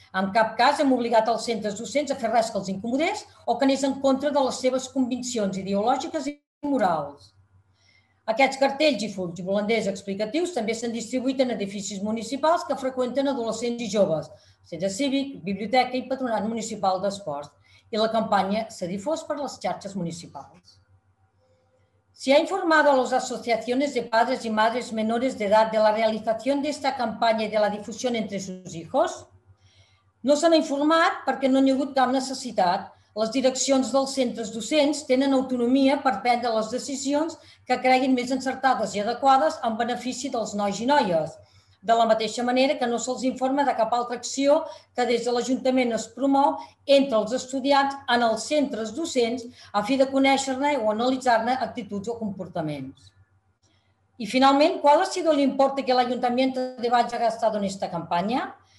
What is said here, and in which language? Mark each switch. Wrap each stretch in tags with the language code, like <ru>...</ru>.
<ca>En cap cas hem obligat els centres docents a fer res que els incomodés o que anés en contra de les seves convicions ideològiques i morals. Aquests cartells i fulls volanders explicatius també s'han distribuït en edificis municipals que freqüenten adolescents i joves, centre cívic, biblioteca i patronat municipal d'esports. I la campanya s'ha difós per les xarxes municipals.</ca> <es>¿Se ha informado a las asociaciones de padres y madres menores de edad de la realización de esta campaña y de la difusión entre sus hijos? No se han informado porque no hay cap necesidad. Las direcciones de los centros docentes tienen autonomía para</es> <ca>prendre</ca> <es>las decisiones que creguin más encertadas y adecuadas en beneficio de los nois y noies.</es> <ca>De la mateixa manera que no se'ls informa de cap altra acció que des de l'Ajuntament es promou entre els estudiants en els centres docents a fi de conèixer-ne o analitzar-ne actituds o comportaments. I finalment,</ca> <es>¿cuál ha sido el importe que l'Ajuntament de Valls ha gastat en esta campanya?</es>